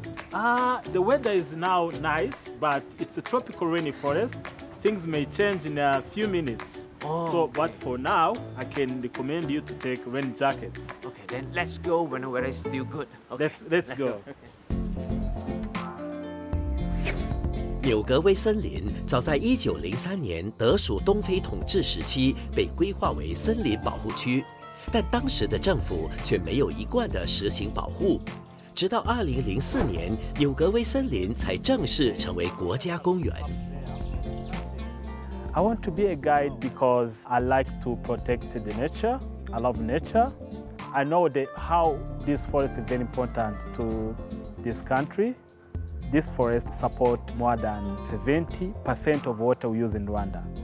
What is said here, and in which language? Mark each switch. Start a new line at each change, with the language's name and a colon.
English: The weather is now nice, but it's a tropical rainy forest. Things may change in a few minutes. Oh, so, okay. But for now, I can recommend you to take a rain jacket. Okay, then let's go when the weather is still good. Okay, let's go.
Chinese: 纽格威森林早在1903年德属东非统治时期被规划为森林保护区，但当时的政府却没有一贯的实行保护。直到2004年，纽格威森林才正式成为国家公园。
English: I want to be a guide because I like to protect the nature. I love nature. I know that how this forest is very important to this country. This forest supports more than 70% of water we use in Rwanda.